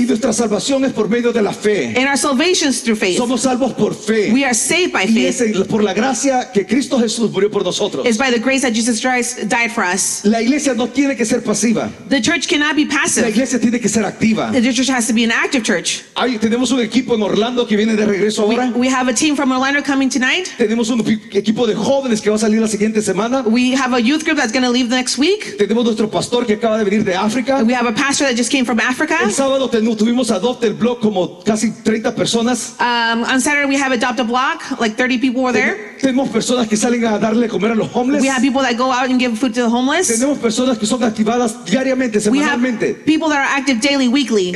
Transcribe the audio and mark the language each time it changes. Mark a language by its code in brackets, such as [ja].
[es] Y nuestra salvación es por medio de la fe. [en] And our salvation is through faith. [es] Somos salvos por fe. [en] We are saved by faith. [es] Y es por la gracia que Cristo Jesús murió por nosotros. [en] It's by the grace that Jesus Christ died for us. [es] La iglesia no tiene que ser pasiva. [en] The church cannot be passive. [es] La iglesia tiene que ser activa. [en] The church has to be an active church. [es] Ay, tenemos un equipo en Orlando que viene de regreso ahora. [en] We have a team from Orlando coming tonight. [es] Tenemos un equipo de jóvenes que va a salir la siguiente semana. [en] We have a youth group that's going to leave next week. [es] Tenemos nuestro pastor que acaba de venir de África. [en] We have a pastor that just came from Africa. [es] El sábado tuvimos Adopt el Block como casi 30 personas. [en] On Saturday we have Adopt a Block, like 30 people were there. [es] Tenemos personas que salen a darle comer a los homeless. [en] We have people that go out and give food to the homeless. [es] Tenemos personas que son activadas diariamente, semanalmente. [en] We have people that are active daily, weekly.